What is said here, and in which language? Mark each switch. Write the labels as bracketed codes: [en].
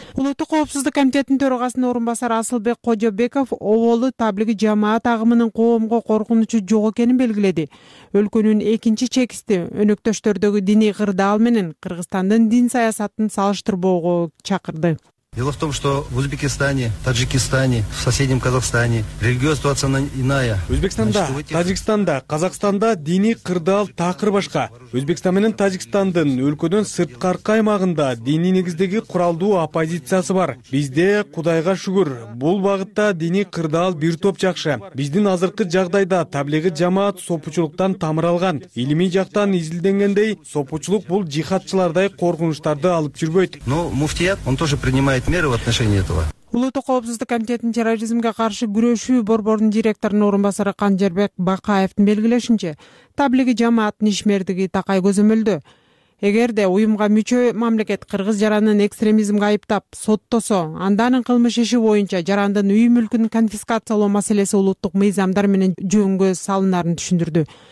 [ky] Улуттук коопсуздук комитетинин төрагасынын орун басары Асылбек Кожобеков оолу таблиги жамаат агымынын коомго коркунучу жок экенин белгиледи. Өлкөнүн экинчи чекисти өнөктөштөрдөгү диний кырдаал менен Кыргызстандын дин саясатын салыштырбоого чакырды. [ru] Дело в том, что в Узбекистане, Таджикистане, в соседнем Казахстане религиозная ситуация иная. [ky] Узбекистанда, Таджикистанда, Казахстанда диний кырдаал такыр башка. Узбекистан менен Таджикистандын өлкөдөн сырткаркы аймагында диний негиздеги куралдуу оппозициясы бар. Бизде, Кудайга шүгүр, бул багытта диний кырдаал бир топ жакшы. Биздин азыркы жагдайда таблиги жамаат сопучулуктан тамыр алган. Илимий жактан изилденгендей, сопучулук бул жихатчылардай коркунучтарды алып жүрбөйт. [ru] Но муфтият, он тоже принимает меры в отношении этого. [ky] Улуттук коопсуздук комитетинин терроризмге каршы күрөшүү борборунун директорунун орун басары Канжербек Бакаевдин белгилешинче, таблиги жамааттын ишмердиги такай көзөмөлдө. Эгерде уюмга мүчө мамлекет кыргыз жаранын экстремизмге айыптап соттосо, анда анын кылмыш иши боюнча жарандын үй мүлкүн конфискациялоо маселеси улуттук мыйзамдар менен жөнгө салынаарын түшүндүрдү.